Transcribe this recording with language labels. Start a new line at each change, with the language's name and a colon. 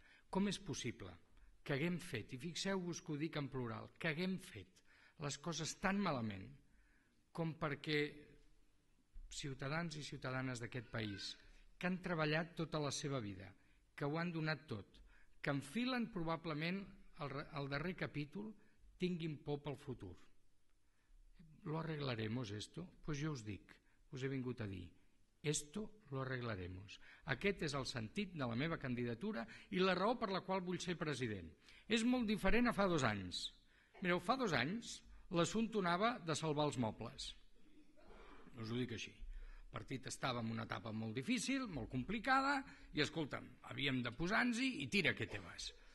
Catalan: Com és possible que haguem fet, i fixeu-vos que ho dic en plural, que haguem fet les coses tan malament com perquè ciutadans i ciutadanes d'aquest país que han treballat tota la seva vida, que ho han donat tot, que enfilen probablement el darrer capítol, tinguin por pel futur.
Spanish: ¿Lo arreglaremos esto?
Catalan: Pues jo us dic, us he vingut a dir,
Spanish: esto lo arreglaremos.
Catalan: Aquest és el sentit de la meva candidatura i la raó per la qual vull ser president. És molt diferent a fa dos anys. Mireu, fa dos anys l'assumpte anava de salvar els mobles. No us ho dic així. El partit estava en una etapa molt difícil, molt complicada, i escolta'm, havíem de posar-nos-hi i
Spanish: tira que te vas.